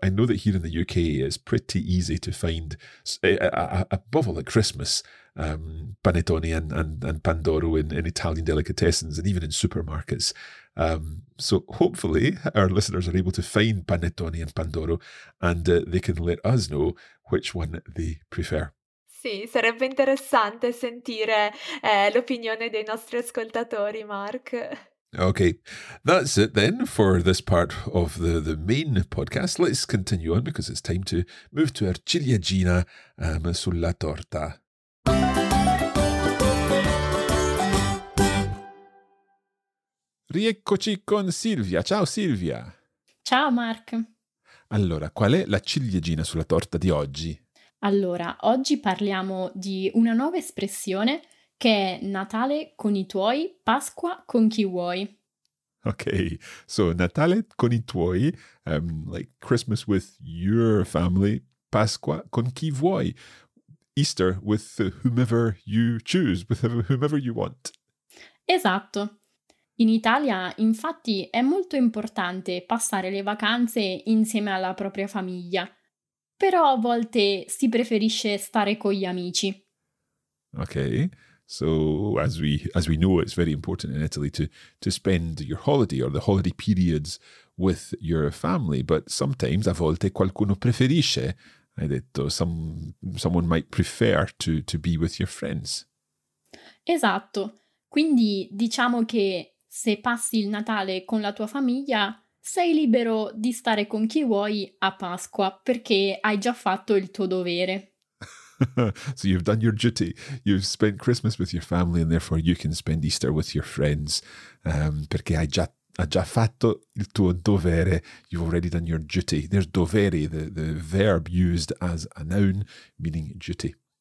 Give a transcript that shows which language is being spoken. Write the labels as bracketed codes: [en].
[en] I know that here in the UK it's pretty easy to find, above all at Christmas, panettone and pandoro in Italian delicatessens and even in supermarkets. So hopefully our listeners are able to find panettone and pandoro and they can let us know which one they prefer. [it] Sì, sarebbe interessante sentire l'opinione dei nostri ascoltatori, Mark. [en] Okay, that's it then for this part of the main podcast. Let's continue on because it's time to move to our [it] ciliegina sulla torta. Rieccoci con Silvia. Ciao Silvia. Ciao Mark. Allora, qual è la ciliegina sulla torta di oggi? Allora, oggi parliamo di una nuova espressione che è Natale con i tuoi, Pasqua con chi vuoi. [en] Ok, so [it] Natale con i tuoi, [en] like Christmas with your family, [it] Pasqua con chi vuoi, [en] Easter with whomever you choose, with whomever you want. [it] Esatto. In Italia, infatti, è molto importante passare le vacanze insieme alla propria famiglia. Però a volte si preferisce stare con gli amici. [en] Okay, so as we know, it's very important in Italy to spend your holiday or the holiday periods with your family. But sometimes, [it] a volte, qualcuno preferisce, hai detto, [en] someone might prefer to be with your friends. [it] Esatto, quindi diciamo che se passi il Natale con la tua famiglia, sei libero di stare con chi vuoi a Pasqua, perché hai già fatto il tuo dovere. [en] So you've done your duty. You've spent Christmas with your family and therefore you can spend Easter with your friends. [it] Perché hai già fatto il tuo dovere. [en] You've already done your duty. There's dovere, the verb used as a noun, meaning duty.